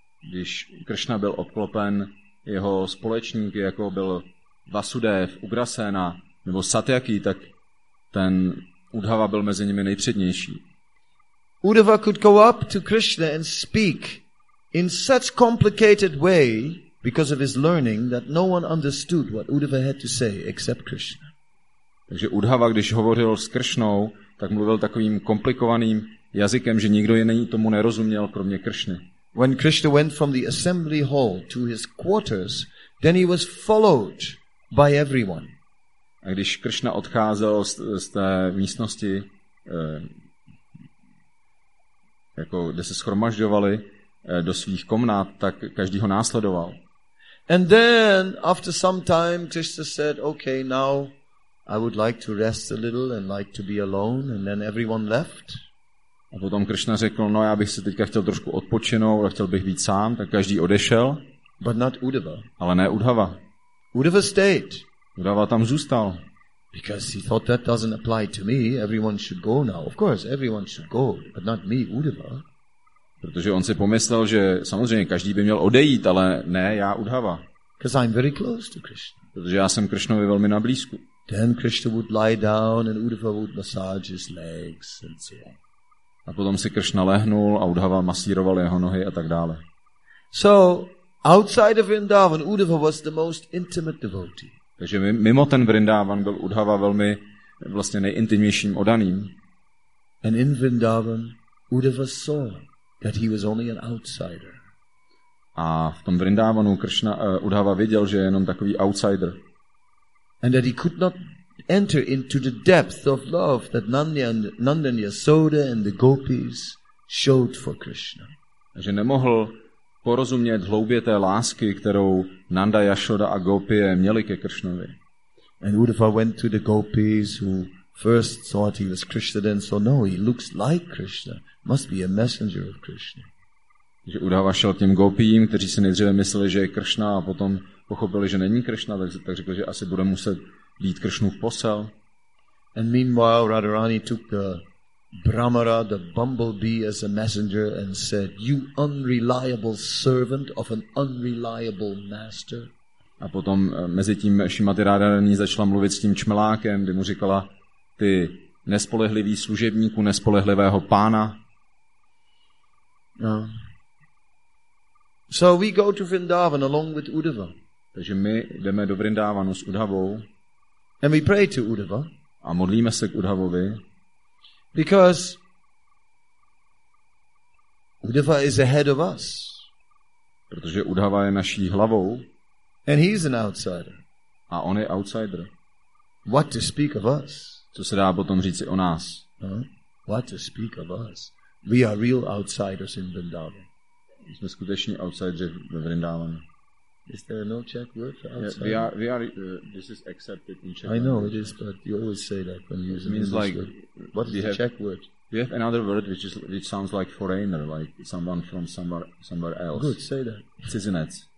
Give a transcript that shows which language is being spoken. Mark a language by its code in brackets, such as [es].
[cs] Když Krishna byl obklopen jeho společníky, jako byl Vasudev, Ugrasena nebo Satyaki, tak ten Uddhava byl mezi nimi nejpřednější. [en] Uddhava could go up to Krishna and speak in such complicated way because of his learning that no one understood what Uddhava had to say except Krishna. [cs] Takže Uddhava, když hovořil s Krishnou, tak mluvil takovým komplikovaným jazykem, že nikdo jiný tomu nerozuměl kromě Krishny. [en] When Krishna went from the assembly hall to his quarters, then he was followed by everyone. [cs] A když Krishna odcházel z té místnosti, jako kde se shromažďovali do svých komnat, tak každý ho následoval. [en] And then after some time Krishna said, okay, now I would like to rest a little and like to be alone, and then everyone left. [cs] A potom Krishna řekl, no já bych si teďka chtěl trošku odpočinout, a chtěl bych být sám, tak každý odešel. [en] But not Uddhava. [cs] Ale ne Uddhava. [en] Uddhava stayed. [cs] Uddhava tam zůstal. [en] Because he thought that doesn't apply to me, everyone should go now. Of course, everyone should go, but not me, Uddhava. [cs] Protože on si pomyslel, že samozřejmě každý by měl odejít, ale ne já, Uddhava. [en] Because I'm very close to Krishna. [cs] Protože já jsem Krishnovi velmi na blízku. [en] Then Krishna would lie down and Uddhava would massage his legs and so on. [cs] A potom si Krishna lehnul a Uddhava masíroval jeho nohy a tak dále. [en] So outside of Vrindavan, Uddhava was the most intimate devotee. [cs] Takže mimo ten Vrindavan byl Uddhava velmi vlastně nejintimnějším oddaným. [en] And in Vrindavan, Uddhava saw that he was only an outsider. [cs] A v tom Vrindavanu Krishna Uddhava viděl, že je jenom takový outsider. [en] And that he could not enter into the depth of love that Nandan Yasoda and the gopis showed for Krishna. [cs] Že nemohl porozumět hloubě té lásky, kterou Nanda Yasoda a gopie měli ke Krishnovi. [en] And Uddhava went to the gopis who first thought he was Krishna, then saw no, he looks like Krishna, must be a messenger of Krishna. [cs] Že Uddhava šel těm gopím, kteří si nejdříve mysleli, že je Krishna, a potom pochopili, že není Krishna, tak řekl, že asi bude muset být Krishnu v posel. [en] And meanwhile Radharani took the Brahmara, the bumblebee, as a messenger and said, you unreliable servant of an unreliable master. [cs] A potom mezi tím Šimati Radharani začala mluvit s tím čmelákem, kdy mu říkala, ty nespolehlivý služebníku nespolehlivého pána. [en] So we go to Vrindavan along with Uddhava. [cs] Takže my jdeme do Vrindavanu s Uddhavou. [en] And we pray to Uddhava. [cs] A modlíme se k Uddhavovi. [en] Because Uddhava is ahead of us. [cs] Protože Uddhava je naší hlavou. [en] And he's an outsider. [cs] A on je outsider. [en] What to speak of us? [cs] Co se dá potom říci o nás? [en] What to speak of us? We are real outsiders in Vrindavan. [cs] Jsme skuteční outsideri ve Vrindavanu. [en] Is there no Czech word for outside? This is accepted in Czech. I know it is, but you always say that when you use an English like, word. What is the Czech word? We have another word which sounds like foreigner, like someone from somewhere else. Good, say that. [cs] Cizinec.